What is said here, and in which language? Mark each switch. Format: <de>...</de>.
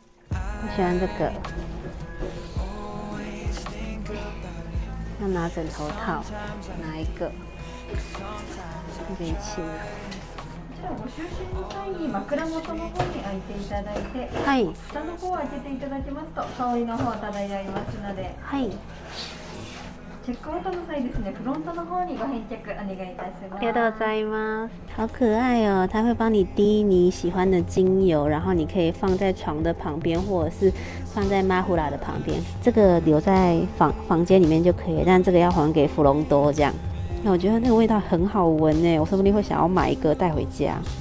<zh>我喜欢这个，要拿枕头套，拿一个，一边吃。</zh> <ja>ご就寝の際に枕元の方に開いていただいて、はい、下の方を開けていただきますと香りの方を漂いますので、はい、チェックアウトの際ですね、フロントの方にご返却お願いいたします。ありがとうございます。</ja> <zh>好可爱哦，它会帮你滴你喜欢的精油，然后你可以放在床的旁边，或者是放在马胡拉的旁边。这个留在房间里面就可以，但这个要还给弗隆多这样。我觉得那个味道很好闻耶，我说不定会想要买一个带回家。</zh>